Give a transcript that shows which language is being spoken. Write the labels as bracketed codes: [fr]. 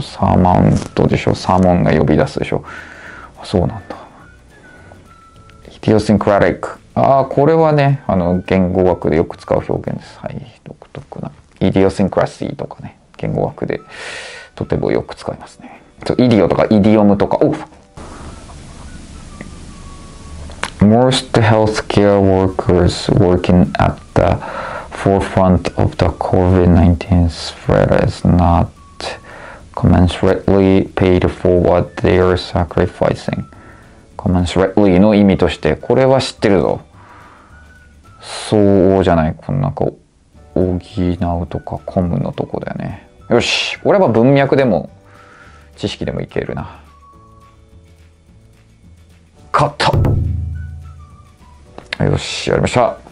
[ja] サーマウントでしょ。サーモンが呼び出すでしょ。あ、そうなんだ。イディオシンクラティック、あ、これはね、あの言語学でよく使う表現です。はい、独特な。イディオシンクラシーとかね、言語学でとてもよく使いますね。そう、イディオとかイディオムとか。オフ。 [en] Most healthcare workers working at theforefront of the COVID-19 spread is not commensurately paid for what they are sacrificing. [ja] Commensurately の意味として、これは知ってるぞ。そうじゃない、こんなこう補うとか込むのとこだよね。よし、俺は文脈でも知識でもいけるな。カット。よし、やりました。